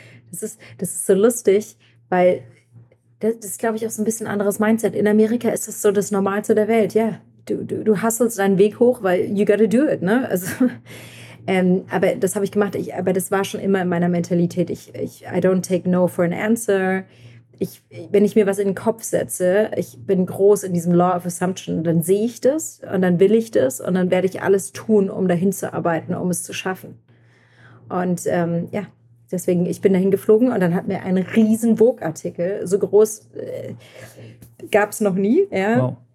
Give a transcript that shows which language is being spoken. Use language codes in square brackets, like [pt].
[de] Das ist so lustig, weil das ist, glaube ich, auch so ein bisschen anderes Mindset. In Amerika ist das so das Normalste der Welt. Ja, du hustlest deinen Weg hoch, weil [en] you gotta do it, [de] ne? Also, aber das habe ich gemacht. Aber das war schon immer in meiner Mentalität. [en] I don't take no for an answer. [de] Wenn ich mir was in den Kopf setze, ich bin groß in diesem Law of Assumption, dann sehe ich das und dann will ich das und dann werde ich alles tun, um dahin zu arbeiten, um es zu schaffen. Und deswegen, ich bin dahin geflogen und dann hat mir ein riesen Vogue-Artikel, so groß gab es noch nie, ja, wow.